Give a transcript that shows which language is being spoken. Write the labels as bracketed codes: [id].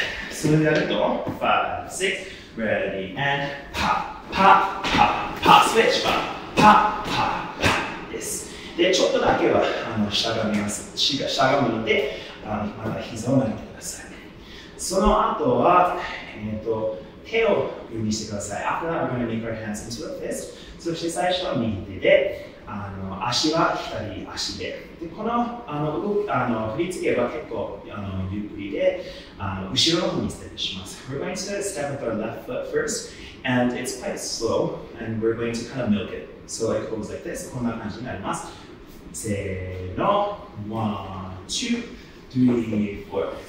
[ja] それでやると、5、6、 [en] ready, and [ja] パッパッパッパッ、スイッチパッパッパッパッです。で、ちょっとだけはしゃがみます。しゃがむので、また膝を曲げてください。その後は、手を組みしてください。 [en] After that, we're going to make our hands into a fist. [ja] そして最初は右手で、足は左足で。でこ の, 振り付けは結構ゆっくりで後ろの方にステップします。 [en] We're going to step with our left foot first, and it's quite slow, and we're going to kind of milk it. So it goes like this. [ja] こんな感じになります。せーの、1、2、3、4。